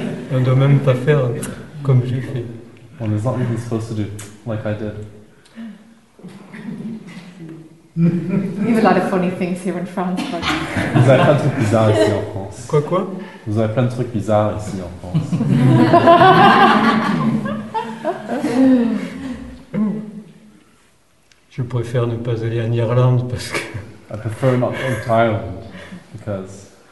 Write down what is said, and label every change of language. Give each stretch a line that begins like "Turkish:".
French: On ne doit même pas faire comme j'ai fait.
English: One is not even supposed to do like I did. We have a lot of funny things here in France.
French: Vous avez plein de trucs bizarres ici en France. Quoi quoi? Vous avez plein de trucs bizarres ici en France. Je préfère ne pas aller en Irlande parce que.
English: I prefer not to go to Ireland because.